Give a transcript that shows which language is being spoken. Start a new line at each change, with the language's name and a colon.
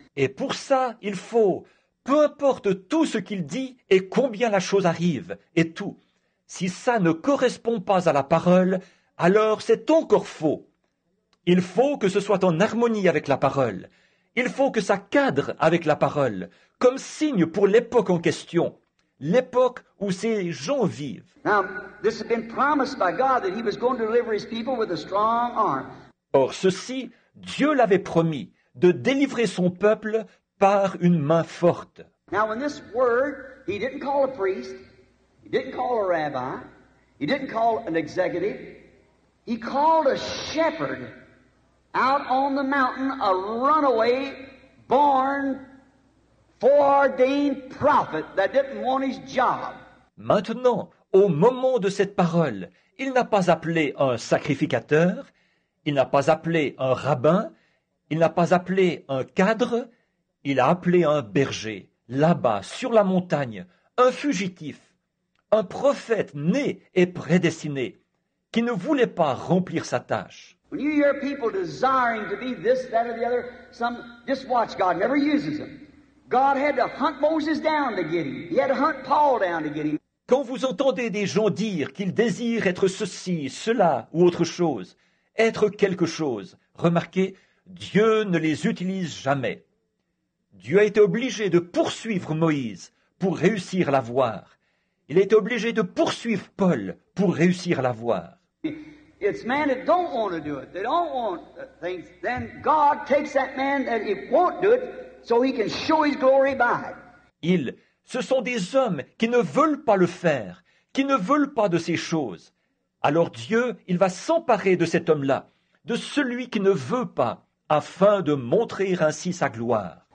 French: Et pour ça, il faut, peu importe tout ce qu'il dit et combien la chose arrive, et tout, si ça ne correspond pas à la parole, alors c'est encore faux. Il faut que ce soit en harmonie avec la parole. Il faut que ça cadre avec la parole, comme signe pour l'époque en question, l'époque où ces gens vivent.
English: Now, this has been promised by God that he was going to deliver his people with a strong arm.
French: Or, ceci, Dieu l'avait promis, de délivrer son peuple par une main forte.
English: Now, in this word, he didn't call a priest, he didn't call a rabbi, he didn't call an executive, he called a shepherd. Out on the mountain, a runaway, born, foreordained prophet that didn't want his job.
French: Maintenant, au moment de cette parole, il n'a pas appelé un sacrificateur, il n'a pas appelé un rabbin, il n'a pas appelé un cadre, il a appelé un berger, là-bas, sur la montagne, un fugitif, un prophète né et prédestiné, qui ne voulait pas remplir sa tâche.
English: When you hear people desiring to be this, that, or the other, some just watch, God never uses them. God had to hunt Moses down to get him. He had to hunt Paul down to get him.
French: Quand vous entendez des gens dire qu'ils désirent être ceci, cela ou autre chose, être quelque chose, remarquez, Dieu ne les utilise jamais. Dieu a été obligé de poursuivre Moïse pour réussir à l'avoir. Il a été obligé de poursuivre Paul pour réussir à l'avoir.
English: It's men that don't want to do it. They don't want things. Then God takes that man that he won't do it so he can show his glory by it.
French: Ils, ce sont des hommes qui ne veulent pas le faire, qui ne veulent pas de ces choses. Alors Dieu, il va s'emparer de cet homme-là, de celui qui ne veut pas, afin de montrer ainsi sa gloire.